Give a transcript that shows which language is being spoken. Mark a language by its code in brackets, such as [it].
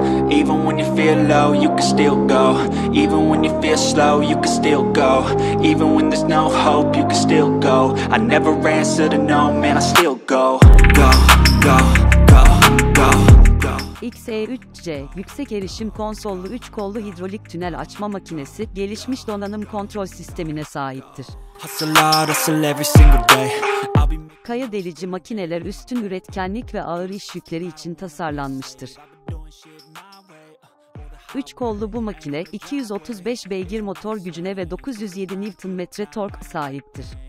[en] Even when you feel low, you can still go. Even when you feel slow, you can still go. Even when there's no hope, you can still go. I never answer to no, man, I still go. Go, go, go, go, go. [tr] XE3C, yüksek erişim konsollu 3 kollu hidrolik tünel açma makinesi, gelişmiş donanım kontrol sistemine sahiptir. [en] Hustle out, hustle every single day. [tr] Kaya delici makineler üstün üretkenlik ve ağır iş yükleri için tasarlanmıştır. 3 kollu bu makine, 235 beygir motor gücüne ve 907 Nm tork sahiptir.